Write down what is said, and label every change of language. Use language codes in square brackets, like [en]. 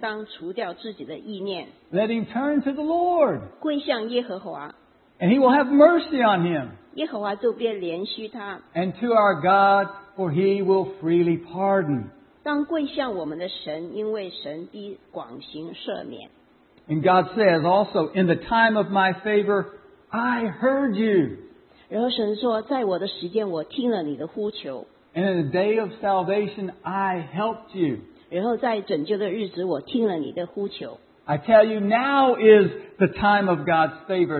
[zh] 恶人当离弃自己的道路不义的人当除掉自己的意念 [en] Let him turn to the Lord. [zh] 归向耶和华 [en] And he will have mercy on him. [zh] 耶和华就必怜恤他 [en] And to our God, for he will freely pardon. [zh] 当归向我们的神,因为神必广行赦免。 [en] And God says also, in the time of my favor, I heard you. [zh] 然后神说,在我的时间,我听了你的呼求。 [en] And in the day of salvation, I helped you. [zh] 然后在拯救的日子,我听了你的呼求。 [en] I tell you, now is the time of God's favor.